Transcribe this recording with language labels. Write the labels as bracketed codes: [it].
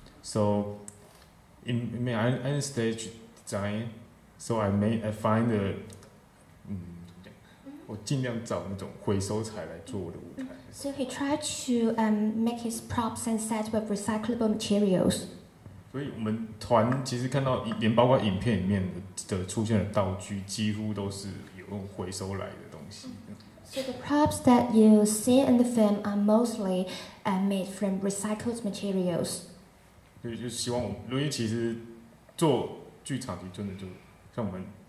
[en] So in my end stage design, so I find the [zh] 我尽量找那种回收材来做我的舞台。 [en] So he tried to make his props and set with recyclable materials. [zh] 所以我们团其实看到，连包括影片里面的出现的道具，几乎都是有用回收来的东西。 [en] So the props that you see in the film are mostly made from recycled materials. [zh] 对，就希望，因为其实做剧场其实真的就像我们。